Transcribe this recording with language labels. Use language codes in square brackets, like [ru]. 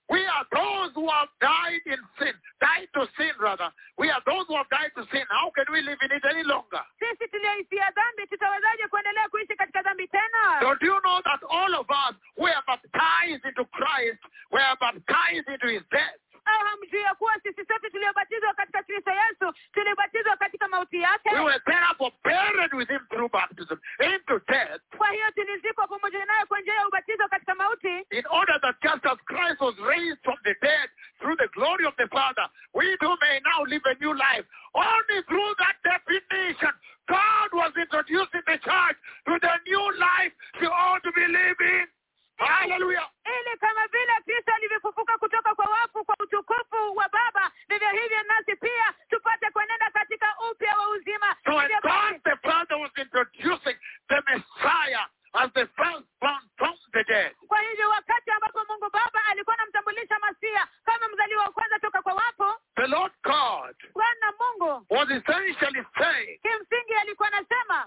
[en] We are those who have died in sin. Died to sin rather. We are those who have died to sin. How can we live in it any longer? [sw] Sisi tuliyeishia dhambi tutawezaje kuendelea kuishi katika dhambi tena? [en] Don't you know that all of us we are baptized into Christ, we are baptized into his death. [sw] Au hamjui ya kuwa sisi sote tuliobatizwa katika Kristo Yesu, tulibatizwa katika mauti yake. [en] We were therefore buried with him through baptism into death. [sw] Kwa hiyo tulizikwa pamoja naye kwa njia ya ubatizo katika mauti. [en] In order that just as Christ was raised from the dead through the glory of the Father, we too may now live a new life. Only through that definition, God was introducing the church to the new life she ought to be living. Hallelujah. [sw] Ili kama vile Kristo alivyofufuka kutoka kwa wafu kwa utukufu wa Baba, vivyo hivyo nasi pia tupate kuenenda katika upya wa uzima. [en] So when God the Father was introducing the Messiah as the firstborn from the dead. [sw] Kwa hivyo wakati ambapo Mungu Baba alikuwa anamtambulisha Masia kama mzaliwa wa kwanza toka kwa wafu, [en] the Lord God. [sw] Bwana Mungu. [en] Was essentially saying. [sw] Kimsingi alikuwa anasema.